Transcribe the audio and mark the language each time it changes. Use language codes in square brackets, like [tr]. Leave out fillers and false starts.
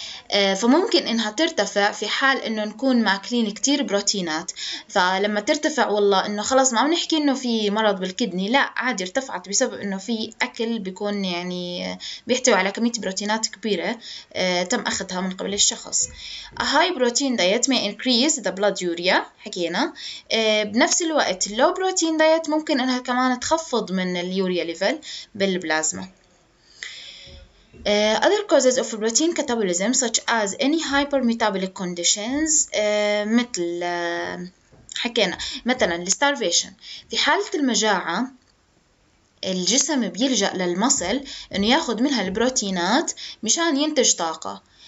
[ar] فممكن انها ترتفع في حال انه نكون ماكلين كتير بروتينات، فلما ترتفع والله انه خلاص ما بنحكي انه في مرض بالكدني، لا عادي ارتفعت بسبب انه في اكل بيكون يعني بيحتوي على كمية بروتينات كبيرة تم اخذها من قبل الشخص. [en] A high protein diet may increase the blood urea [ar] حكينا، بنفس الوقت [en] low protein diet [ar] ممكن انها كمان تخفض من اليوريا ليفل بالبلازما. [en] Other causes of protein catabolism such as any hypermetabolic conditions [ar] مثل حكينا مثلا الستارفيشن، في حالة المجاعة الجسم بيلجأ للمصل انه ياخد منها البروتينات مشان ينتج طاقة.